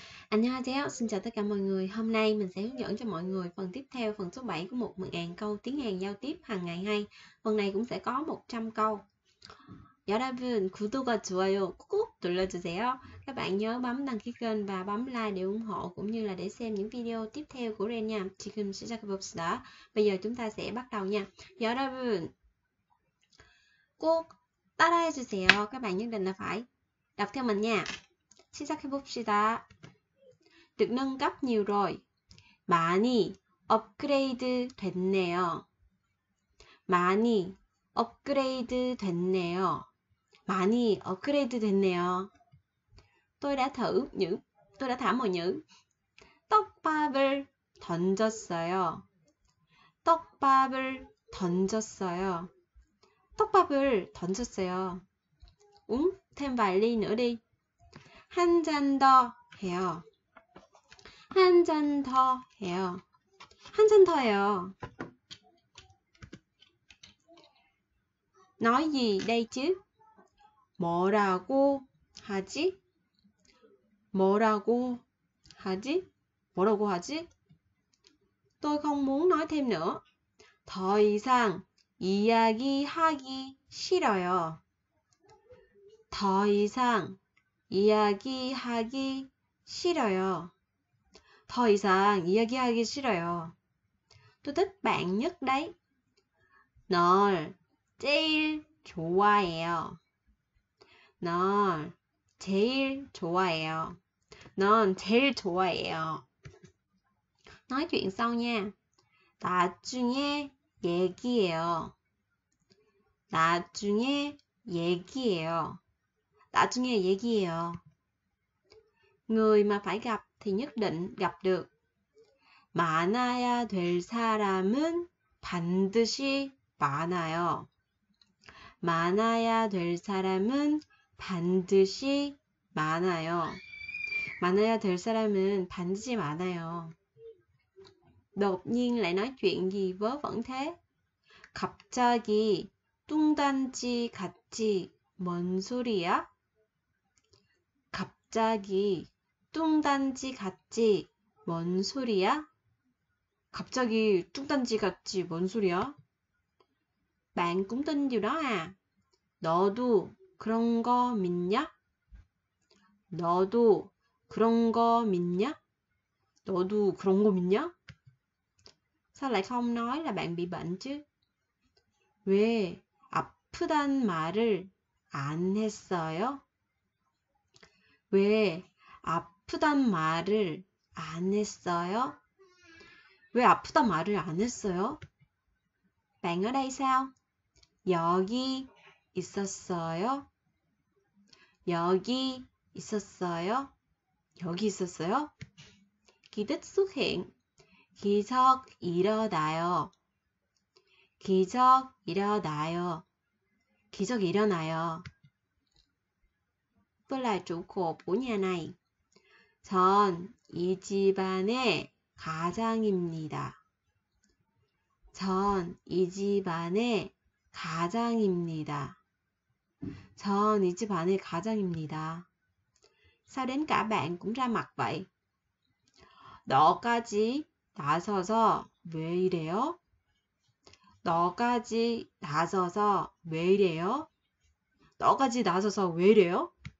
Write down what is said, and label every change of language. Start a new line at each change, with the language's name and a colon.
Vietnamese: Hello, xin chào tất cả mọi người. Hôm nay mình sẽ hướng dẫn cho mọi người phần tiếp theo, phần số 7 của 1.000 câu tiếng Hàn giao tiếp hàng ngày hay. Phần này cũng sẽ có 100 câu.
Korean: 여러분, 구독과 좋아요 꾹꾹 눌러주세요.
Vietnamese: Các bạn nhớ bấm đăng ký kênh và bấm like để ủng hộ cũng như là để xem những video tiếp theo của Ren nha.
Korean: 지금 시작해봅시다.
Vietnamese: Bây giờ chúng ta sẽ bắt đầu nha.
Korean: 여러분, 꼭 따라해주세요.
Vietnamese: Các bạn nhất định là phải đọc theo mình nha.
Korean: 시작해봅시다.
Vietnamese: Được nâng cấp nhiều rồi.
Korean: 많이 업그레이드 됐네요. 많이 업그레이드 됐네요. 많이 업그레이드 됐네요.
Vietnamese: Tôi đã thả mồi nhử.
Korean: 떡밥을 던졌어요. 떡밥을 던졌어요. 떡밥을 던졌어요. 응?
Vietnamese: Thêm vài ly nữa đi.
Korean: 한 잔 더 해요. 한 잔 더 해요. 한 잔 더 해요.
Vietnamese: Nói gì đây chứ?
Korean: 뭐라고 하지? 뭐라고 하지? 뭐라고 하지?
Vietnamese: Tôi không muốn nói thêm nữa.
Korean: 더 이상 이야기하기 싫어요. 더 이상 이야기하기 싫어요. 더 이상 이야기하기 싫어요.
Vietnamese: Tôi thích bạn nhất đấy.
Korean: 널 제일 좋아해요. 널 제일 좋아해요. 넌 제일 좋아해요.
Vietnamese: Nói chuyện sau nha.
Korean: 나중에 얘기해요. 나중에 얘기해요. 나중에 얘기해요.
Vietnamese: Người mà phải gặp thì nhất định gặp được.
Korean: 많아야 될 사람은 반드시 많아요. 많아야 될 사람은 반드시 많아요. 많아야 될 사람은 반드시 많아요.
Vietnamese: Đột nhiên lại nói chuyện gì vớ vẩn thế?
Korean: 갑자기 뚱딴지 같지 뭔 소리야? 갑자기 뚱딴지 같지 뭔 소리야? 갑자기 뚱딴지 같지 뭔 소리야?
Vietnamese: Bạn cũng tin điều đó à?
Korean: 너도 그런 거 믿냐? 너도 그런 거 믿냐? 너도 그런 거 믿냐?
Vietnamese: Sao lại không nói là bạn bị bệnh chứ?
Korean: 왜 아프단 말을 안 했어요? 왜 아프단 말을 안 했어요? 왜 아프단 말을 안 했어요?
Vietnamese: Bạn ở đây sao?
Korean: 여기 있었어요? 여기 있었어요? 여기 있었어요? 기득 수행. 기적 일어나요. 기적 일어나요. 기적 일어나요.
Vietnamese: Tôi là chủ cột của nhà này.
Korean: 전 이 집안의 가장입니다. 전 이 집안의 가장입니다. 전 이 집안의 가장입니다.
Vietnamese: Sao đến cả bạn cũng ra mặt vậy?
Korean: 너까지 나서서 왜 이래요? 너까지 나서서 왜 이래요? 너까지 나서서 왜 이래요?